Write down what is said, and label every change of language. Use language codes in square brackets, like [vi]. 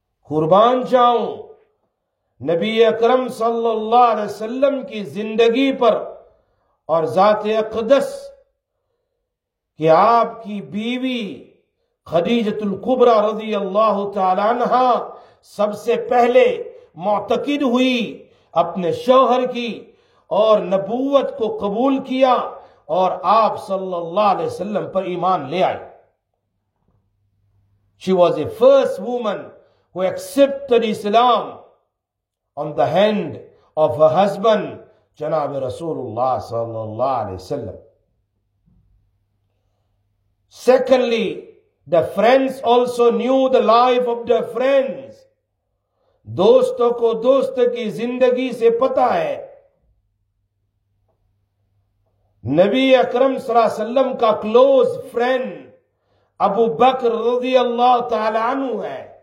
[ur] قربان جاؤں، نبی اکرم صلی اللہ علیہ وسلم کی زندگی پر اور ذات اقدس کہ آپ کی بیوی خدیجۃ الکبریٰ رضی اللہ تعالی عنہا سب سے پہلے معتقد ہوئی اپنے شوہر کی اور نبوت کو قبول کیا اور آپ صلی اللہ علیہ وسلم پر ایمان لے آئی. [en] She was a first woman who accepted Islam on the hand of her husband جناب رسول اللہ صلی اللہ علیہ وسلم. Secondly, the friends also knew the life of their friends. [ur] دوستوں کو دوست کی زندگی سے پتا ہے. نبی اکرم صلی اللہ علیہ وسلم کا کلوز فرینڈ ابو بکر رضی اللہ تعالی عنہ ہے.